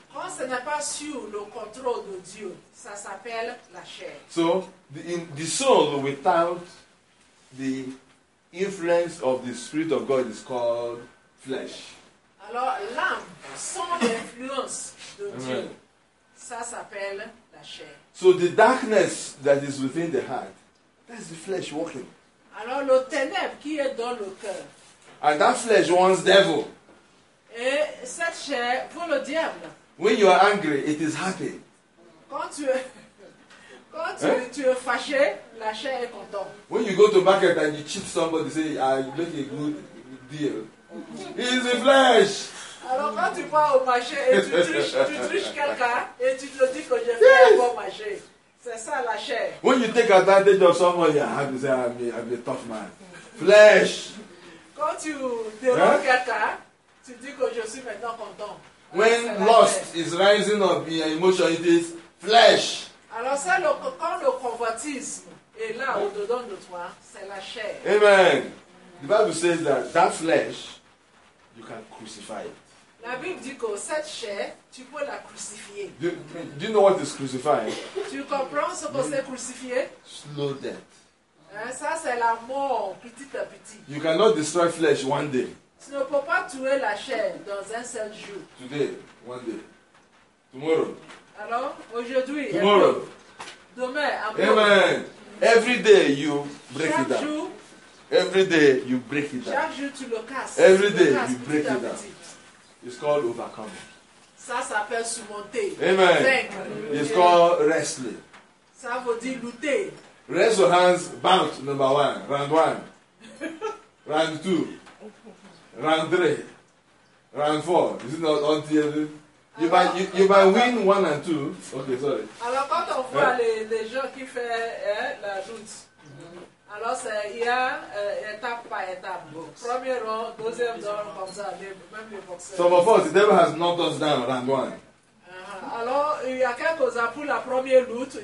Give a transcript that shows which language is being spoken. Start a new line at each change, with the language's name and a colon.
French: Quand ce n'est pas sur le contrôle de Dieu, ça s'appelle la chair.
English: So, the soul without the influence of the Spirit of God is called flesh.
French: Alors, l'âme sans l'influence de Amen. Dieu, ça s'appelle
English: so the darkness that is within the heart, that's the flesh working.
French: Alors le ténèbre qui est dans le cœur.
English: And that flesh wants devil.
French: Et cette chair veut le diable.
English: When you are angry, it is happy.
French: Quand tu es fâché, la chair est contente.
English: When you go to market and you cheat somebody, say, I make a good deal. It's the flesh.
French: Alors quand tu vas au marché et tu triches quelqu'un et tu te dis que je fais yes. un bon marché, c'est ça la chair.
English: When you take advantage of someone, you have to say I'm a tough man. Flesh.
French: Quand tu déroules hein? quelqu'un, tu dis que je suis maintenant content.
English: When lust is rising up in your emotion, it is flesh.
French: Alors ça, quand le convoitisme est là au dedans de toi, c'est la chair.
English: Amen. The Bible says that flesh. You can crucify it.
French: La Bible dit que cette chair, tu peux la crucifier.
English: Do you know what is crucifying?
French: Tu comprends ce que c'est crucifier?
English: Slow death.
French: Ça, c'est la mort, petit à petit.
English: You cannot destroy flesh one day.
French: Tu ne peux pas tuer la chair dans un seul jour.
English: Today, one day. Tomorrow.
French: Alors, aujourd'hui.
English: Tomorrow.
French: Demain,
English: après. Amen. Every day, you break
French: chaque
English: it down.
French: Jour,
English: every day you break it down.
French: Chaque jour tu le casses.
English: Every
French: tu
English: day
French: casses,
English: you break it down. It's called overcoming.
French: Ça s'appelle surmonter.
English: Amen.
French: Vaincre.
English: It's called wrestling.
French: Ça veut dire lutter.
English: Raise your hands, bout number one, round one, round two, round three, round four. Is it not until you win one and two? Okay, sorry.
French: Alors quand on voit les gens qui font la lutte. Alors, il y a étape par étape. Box. Premier rang, deuxième rang, comme ça, même les boxeurs. Some of us, the devil has knocked us down, round one. Alors, il y a quelques ans, pour la première lutte,